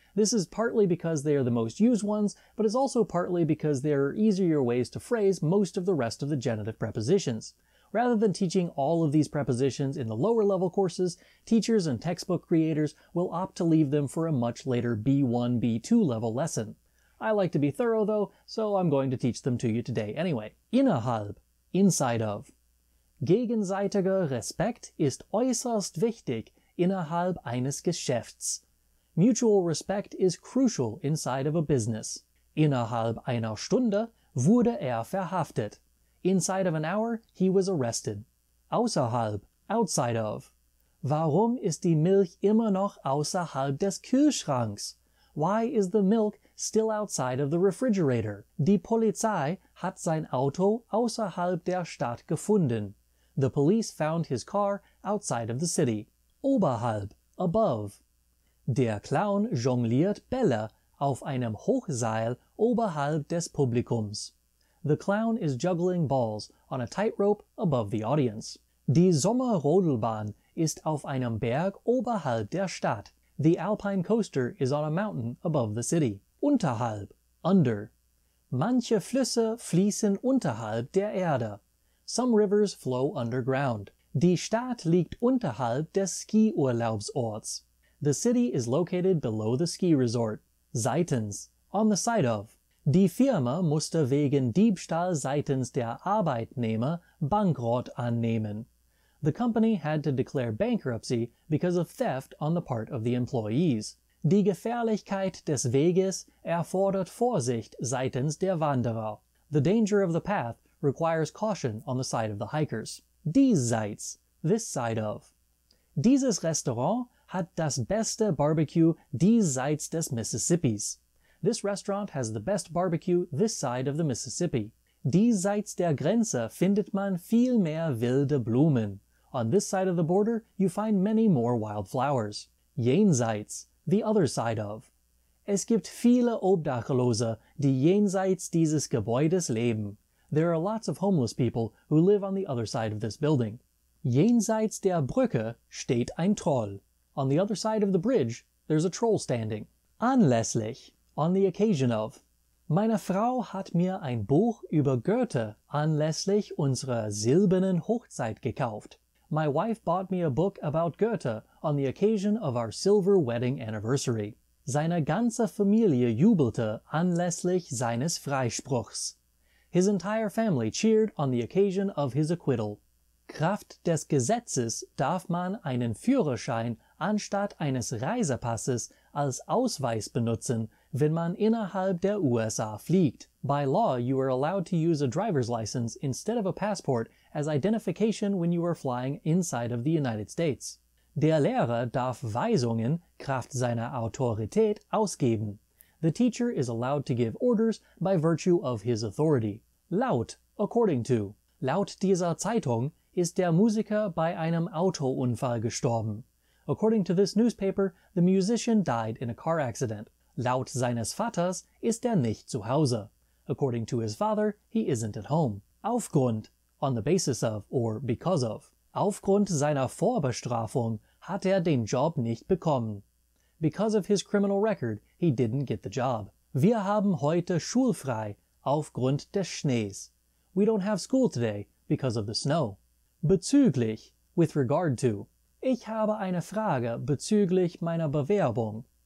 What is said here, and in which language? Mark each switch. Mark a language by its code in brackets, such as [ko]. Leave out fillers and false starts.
[en] This is partly because they are the most used ones, but it's also partly because there are easier ways to phrase most of the rest of the genitive prepositions. Rather than teaching all of these prepositions in the lower level courses, teachers and textbook creators will opt to leave them for a much later B1, B2 level lesson. I like to be thorough though, so I'm going to teach them to you today anyway. Innerhalb, inside of. [de] Gegenseitiger Respekt ist äußerst wichtig innerhalb eines Geschäfts. [en] Mutual respect is crucial inside of a business. [de] Innerhalb einer Stunde wurde verhaftet. [en] Inside of an hour, he was arrested. Außerhalb, outside of. [de] Warum ist die Milch immer noch außerhalb des Kühlschranks? [en] Why is the milk still outside of the refrigerator? [de] Die Polizei hat sein Auto außerhalb der Stadt gefunden. [en] The police found his car outside of the city. Oberhalb, above. [de] Der Clown jongliert Bälle auf einem Hochseil oberhalb des Publikums. [en] The clown is juggling balls on a tightrope above the audience. [de] Die Sommerrodelbahn ist auf einem Berg oberhalb der Stadt. [en] The alpine coaster is on a mountain above the city. [de] Unterhalb, under. Manche Flüsse fließen unterhalb der Erde. [en] Some rivers flow underground. [de] Die Stadt liegt unterhalb des Skiurlaubsorts. [en] The city is located below the ski resort. Seitens, on the side of. [de] Die Firma musste wegen Diebstahl seitens der Arbeitnehmer Bankrott annehmen. [en] The company had to declare bankruptcy because of theft on the part of the employees. [de] Die Gefährlichkeit des Weges erfordert Vorsicht seitens der Wanderer. [en] The danger of the path requires caution on the side of the hikers. Diesseits, this side of. [de] Dieses Restaurant hat das beste Barbecue diesseits des Mississippis. [en] This restaurant has the best barbecue this side of the Mississippi. [de] Diesseits der Grenze findet man viel mehr wilde Blumen. [en] On this side of the border, you find many more wildflowers. Jenseits, the other side of. [de] Es gibt viele Obdachlose, die jenseits dieses Gebäudes leben. [en] There are lots of homeless people who live on the other side of this building. [de] Jenseits der Brücke steht ein Troll. [en] On the other side of the bridge, there's a troll standing. Anlässlich, on the occasion of. [de] Meine Frau hat mir ein Buch über Goethe anlässlich unserer silbernen Hochzeit gekauft. [en] My wife bought me a book about Goethe on the occasion of our silver wedding anniversary. [de] Seine ganze Familie jubelte anlässlich seines Freispruchs. [en] His entire family cheered on the occasion of his acquittal. [de] Kraft des Gesetzes darf man einen Führerschein anstatt eines Reisepasses als Ausweis benutzen, wenn man innerhalb der USA fliegt. [en] By law, you are allowed to use a driver's license instead of a passport as identification when you are flying inside of the United States. [de] Der Lehrer darf Weisungen kraft seiner Autorität ausgeben. [en] The teacher is allowed to give orders by virtue of his authority. [de] Laut, [en] according to. [de] Laut dieser Zeitung ist der Musiker bei einem Autounfall gestorben. [en] According to this newspaper, the musician died in a car accident. [de] Laut seines Vaters ist nicht zu Hause. [en] According to his father, he isn't at home. Aufgrund, on the basis of, or because of. [de] Aufgrund seiner Vorbestrafung hat den Job nicht bekommen. [en] Because of his criminal record, he didn't get the job. [de] Wir haben heute schulfrei, aufgrund des Schnees. [en] We don't have school today, because of the snow. Bezüglich, with regard to. [de] Ich habe eine Frage bezüglich meiner Bewerbung.